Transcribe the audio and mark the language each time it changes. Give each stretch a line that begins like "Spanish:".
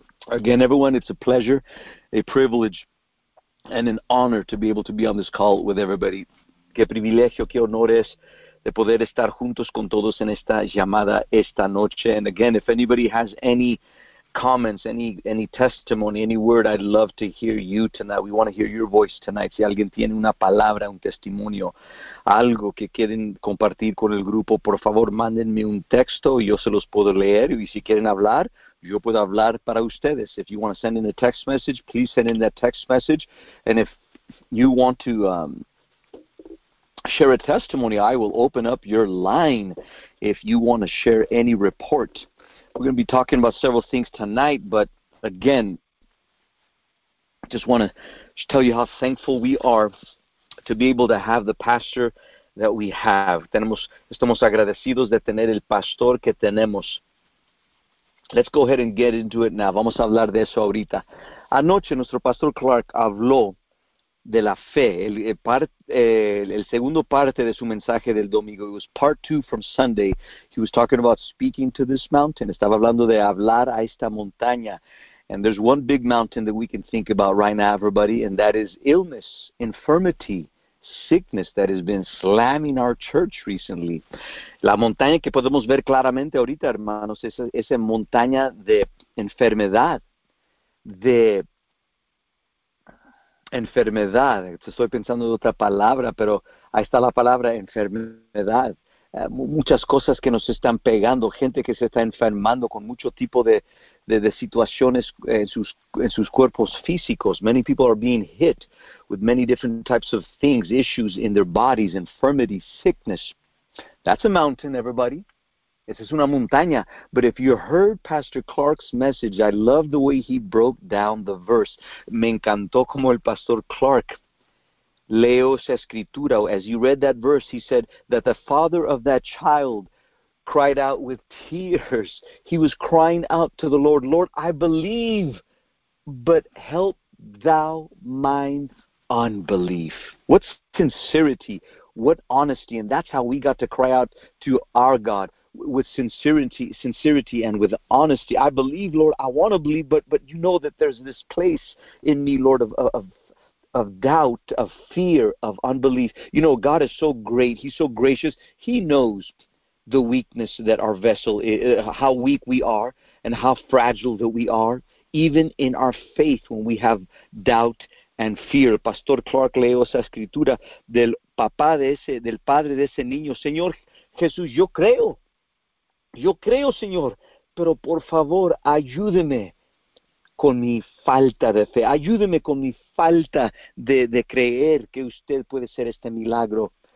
English: Again, everyone, it's a pleasure, a privilege, and an honor to be able to be on this call with everybody.
Spanish: Qué privilegio, qué honor es de poder estar juntos con todos en esta llamada esta noche.
English: And again, if anybody has any comments, any testimony, any word, I'd love to hear you tonight. We want to hear your voice tonight.
Spanish: Si alguien tiene una palabra, un testimonio, algo que quieren compartir con el grupo, por favor, mándenme un texto y yo se los puedo leer. Y si quieren hablar, yo puedo hablar para ustedes.
English: If you want to send in a text message, please send in that text message. And if you want to share a testimony, I will open up your line if you want to share any report. We're going to be talking about several things tonight, but again, I just want to tell you how thankful we are to be able to have the pastor that we have.
Spanish: Estamos agradecidos de tener el pastor que tenemos.
English: Let's go ahead and get into it now.
Spanish: Vamos a hablar de eso ahorita. Anoche, nuestro pastor Clark habló de la fe. El segundo parte de su mensaje del domingo.
English: It was part two from Sunday. He was talking about speaking to this mountain.
Spanish: Estaba hablando de hablar a esta montaña.
English: And there's one big mountain that we can think about right now, everybody, and that is illness, infirmity, sickness that has been slamming our church recently.
Spanish: La montaña que podemos ver claramente ahorita, hermanos, es esa montaña de enfermedad, de enfermedad. Estoy pensando de otra palabra, pero ahí está la palabra enfermedad. Muchas cosas que nos están pegando, gente que se está enfermando con mucho tipo de situaciones en sus cuerpos físicos.
English: Many people are being hit with many different types of things, issues in their bodies, infirmity, sickness. That's a mountain, everybody.
Spanish: Esa es una montaña.
English: But if you heard Pastor Clark's message, I love the way he broke down the verse.
Spanish: Me encantó como el Pastor Clark leo esa escritura.
English: As you read that verse, he said that the father of that child cried out with tears. He was crying out to the Lord, "Lord, I believe, but help thou mine unbelief." What sincerity, what honesty, and that's how we got to cry out to our God. With sincerity and with honesty, I believe, Lord, I want to believe, but you know that there's this place in me, Lord, of doubt, of fear, of unbelief. You know, God is so great. He's so gracious. He knows the weakness that our vessel is, how weak we are and how fragile that we are, even in our faith when we have doubt and fear.
Spanish: Pastor Clark leo esa escritura del papá de ese, del padre de ese niño. Señor Jesús, yo creo. Yo creo, Señor, pero por favor, ayúdeme con mi falta de fe. Ayúdeme con mi falta de creer que usted puede hacer este milagro.